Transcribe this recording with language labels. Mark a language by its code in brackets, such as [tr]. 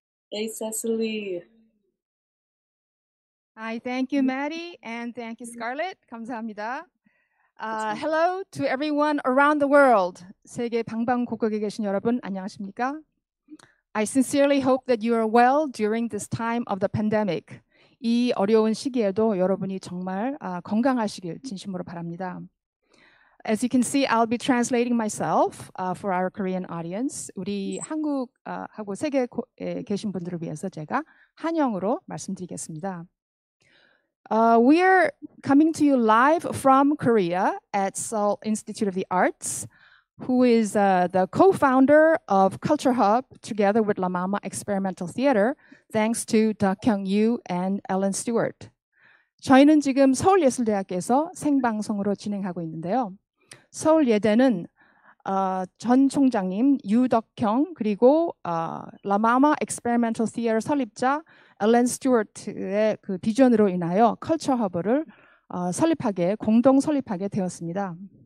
[en] Hey, Cecily. Hi, thank you, Maddie, and thank you, Scarlett. [ko] 감사합니다. [en] Hello to everyone around the world. [ko] 세계 방방곡곡에 계신 여러분, 안녕하십니까? [en] I sincerely hope that you are well during this time of the pandemic. [ko] 이 어려운 시기에도 여러분이 정말 건강하시길 진심으로 바랍니다. [en] As you can see, I'll be translating myself for our Korean audience. [ko] 우리 한국하고 세계에 계신 분들을 위해서 제가 한영으로 말씀드리겠습니다. [en] We are coming to you live from Korea at Seoul Institute of the Arts, who is the co-founder of Culture Hub together with LaMama Experimental Theater, thanks to Duk-young Yoo and Ellen Stewart. [ko] 저희는 지금 서울예술대학교에서 생방송으로 진행하고 있는데요. 서울예대는 전 총장님 유덕형 그리고 라마마 엑스페리멘털 티어 설립자 앨런 스튜어트의 그 비전으로 인하여 컬처 허브를 설립하게 공동 설립하게 되었습니다.